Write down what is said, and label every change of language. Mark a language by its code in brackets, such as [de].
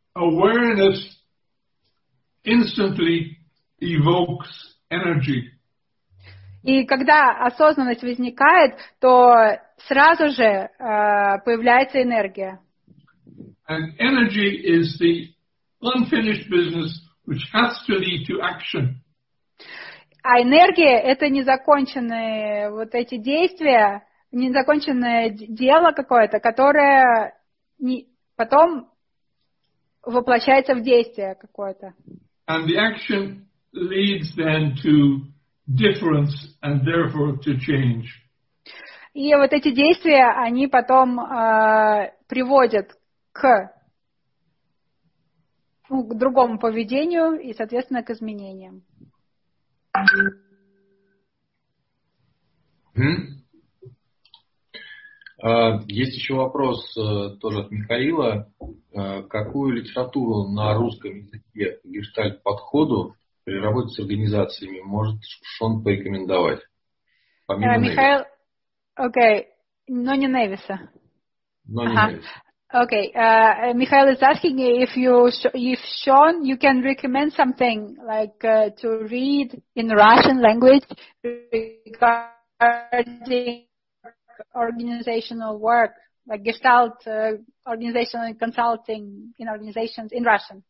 [en] Awareness instantly evokes energy. [ru] И когда осознанность возникает, то сразу же появляется энергия. [en] And energy is the unfinished business which has to lead to action. [ru] А энергия – это незаконченные вот эти действия, незаконченное дело какое-то, которое потом воплощается в действие какое-то. [en] And the action leads then to difference and therefore to change. [ru] И вот эти действия, они потом приводят к другому поведению и, соответственно, к изменениям. Есть еще вопрос тоже от Михаила. Какую литературу на русском языке гештальт-подходу при работе с организациями может Шон порекомендовать? Помимо Михаил, окей, но не Невиса. Но не Невиса. [en] Окей, Михаил is asking if Sean, you can recommend something like to read in Russian language regarding organizational work, like gestalt, organizational consulting in organizations in Russian.